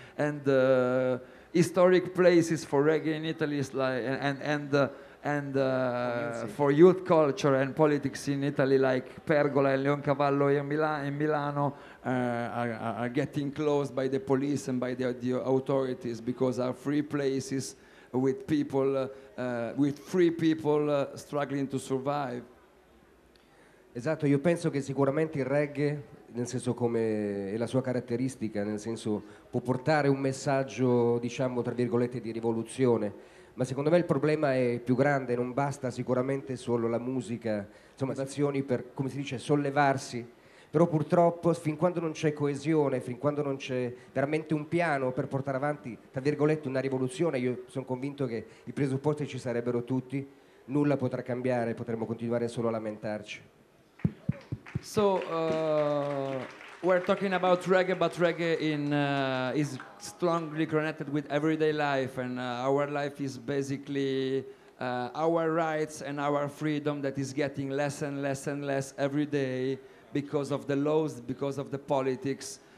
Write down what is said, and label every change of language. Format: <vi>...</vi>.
<en>And historic places for reggae in Italy is like and for youth culture and politics in Italy, like Pergola and Leoncavallo in Milano are getting closed by the police and by the authorities because are free places with people with free people struggling to survive.</en> <it>Esatto, io penso che sicuramente il reggae, nel senso come è la sua caratteristica, nel senso può portare un messaggio, diciamo, tra virgolette, di rivoluzione, ma secondo me il problema è più grande, non basta sicuramente solo la musica, insomma, azioni per, come si dice, sollevarsi, però purtroppo fin quando non c'è coesione, fin quando non c'è veramente un piano per portare avanti, tra virgolette, una rivoluzione, io sono convinto che i presupposti ci sarebbero tutti, nulla potrà cambiare, potremmo continuare solo a lamentarci.</it> <en>So we're talking about reggae, but reggae is strongly connected with everyday life, and our life is basically our rights and our freedom that is getting less and less and less every day because of the laws, because of the politics.</en>